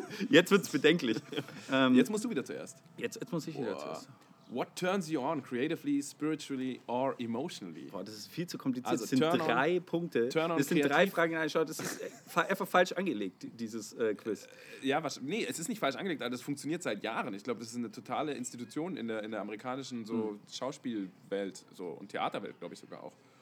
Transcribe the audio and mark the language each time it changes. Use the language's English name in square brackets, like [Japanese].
[German] Jetzt wird es bedenklich. Jetzt musst du wieder zuerst. Jetzt muss ich wieder zuerst. [English] What turns you on, creatively, spiritually or emotionally? [German] Boah, das ist viel zu kompliziert. Also, das sind drei Punkte. [English] Turn on [German] das sind drei Fragen. Nein, schau, das ist einfach falsch angelegt, dieses Quiz. Es ist nicht falsch angelegt, aber das funktioniert seit Jahren. Ich glaube, das ist eine totale Institution in der amerikanischen Schauspielwelt und Theaterwelt, glaube ich sogar auch.